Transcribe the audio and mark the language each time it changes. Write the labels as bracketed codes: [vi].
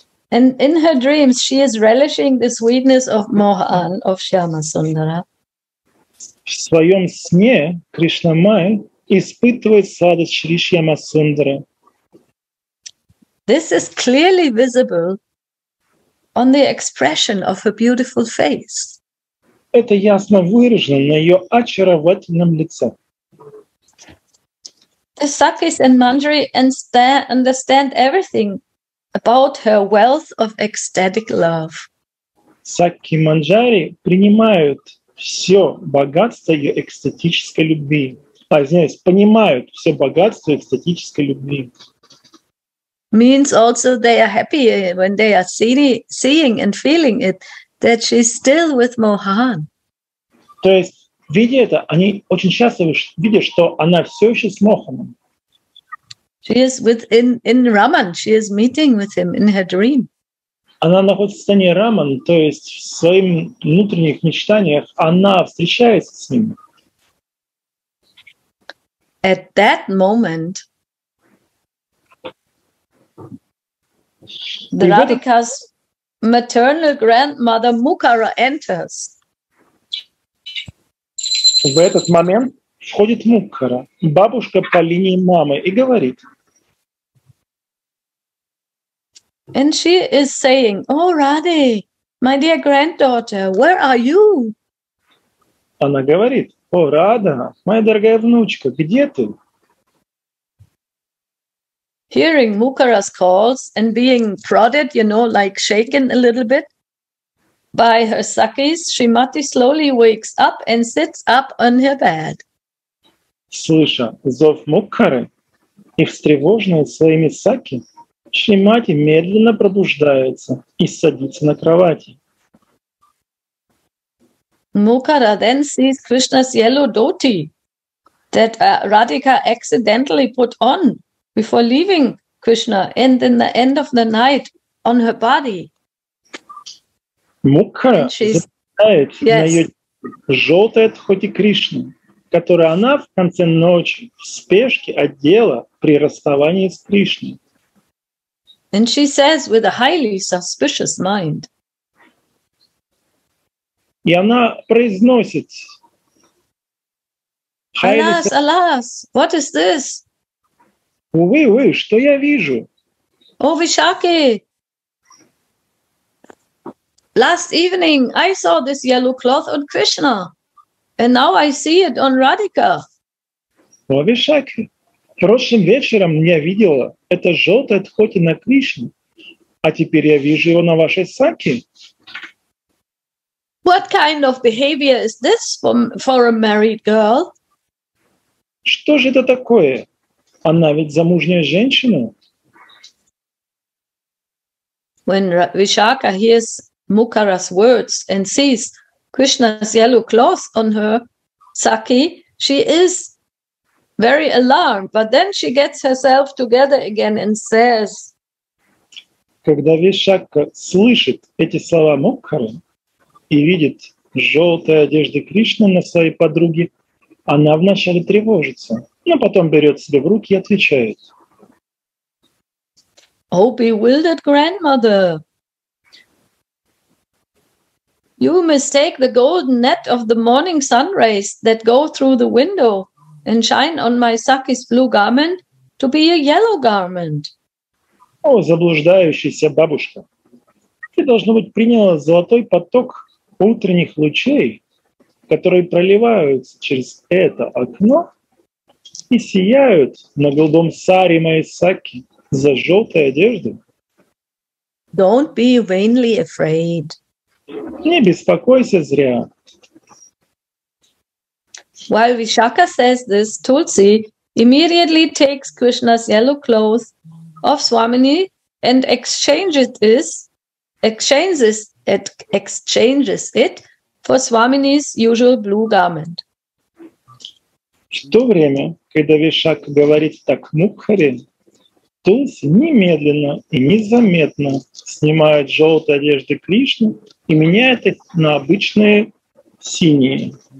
[en] And in her dreams, she is relishing the sweetness of Mohan, of Shyama Sundara. [ru] В своем сне Кришна Май испытывает сладость Шри Шьяма Сундары. [en] This is clearly visible on the expression of her beautiful face. [ru] Это ясно выражено на ее очаровательном лице. [en] The Sakis and Manjari understand everything about her wealth of ecstatic love. [ru] Сакхи и Манджари принимают все богатство ее экстатической любви. Понимают все богатство экстатической любви. [en] Means also they are happy when they are seeing and feeling it, that she's still with Mohan. [ru] То есть, видя это, они очень счастливы, видя, что она все еще с Моханом. [en] She is in Raman, she is meeting with him in her dream. [ru] Она находится в состоянии Раман, то есть в своих внутренних мечтаниях она встречается с ним. [en] At that moment, the Radhika's maternal grandmother Mukara enters. [ru] В этот момент входит Мукара, бабушка по линии мамы, и говорит. [en] And she is saying, "Oh, Radhe, my dear granddaughter, where are you?" [ru] Она говорит, "О, Радха, моя дорогая внучка, где ты?" [en] Hearing Mukara's calls and being prodded, you know, like shaken a little bit by her sakis, Shrimati slowly wakes up and sits up on her bed. [ru] Слыша зов Мукары и встревоженная своими саки, Шримати медленно пробуждается и садится на кровати. [en] Mukara then sees Krishna's yellow dhoti that Radhika accidentally put on before leaving Krishna and in the end of the night on her body. [ru] Mukara замечает на ее желтое дхоти Кришны, которое она в конце ночи в спешке одела при расставании с Кришной. [en] And she says with a highly suspicious mind. [ru] И она произносит. [en] Alas, alas, what is this? [ru] Увы, увы, что я вижу? О, Вишаки! [en] Last evening I saw this yellow cloth on Krishna, and now I see it on Radhika. [ru] О, Вишаки! Прошлым вечером я видела это желтое дхоти на Кришне, а теперь я вижу его на вашей саке. [en] What kind of behavior is this for a married girl? [ru] Что же это такое? Она ведь замужняя женщина. [en] When Vishakha hears Mukara's words and sees Krishna's yellow cloth on her sake, she is very alarmed, but then she gets herself together again and says. [ru] Когда Вишакха слышит эти слова Мукхары и видит желтой одежды Кришны на своей подруге, она вначале тревожится, но потом берет себя в руки и отвечает. [en] О, bewildered grandmother! You mistake the golden net of the morning sun rays that go through the window and shine on my Saki's blue garment to be a yellow garment. [ru] О, заблуждающаяся бабушка! Ты, должно быть, приняла золотой поток утренних лучей, которые проливаются через это окно и сияют на голубом саре моей Саки за желтой одежды. [en] Don't be vainly afraid. [ru] Не беспокойся зря. [en] While Vishakha says this, Tulsi immediately takes Krishna's yellow clothes of Swamini and exchanges it for Swamini's usual blue garment. [ru] В то время, когда Вишакха говорит так Мукхари, Тулси немедленно и незаметно снимает желтые одежды Кришны и меняет их на обычные синие.